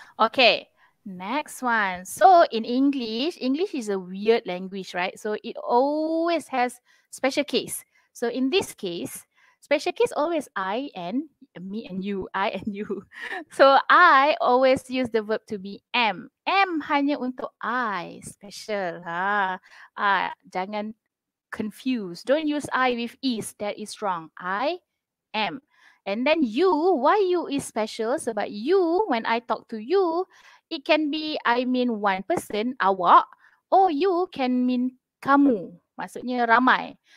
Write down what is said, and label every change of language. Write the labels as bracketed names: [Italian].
[English] Okay, next one. So in English is a weird language, right? So it always has special case. So in this case, special case always I and me and you, I and you. So I always use the verb to be am. [Malay] Am hanya untuk I, special. Jangan confuse. [English] Don't use I with is, that is wrong. I am. And then you, why you is special? Sebab you, when I talk to you, it can be I mean one person, awak, or you can mean kamu, [Malay] maksudnya ramai.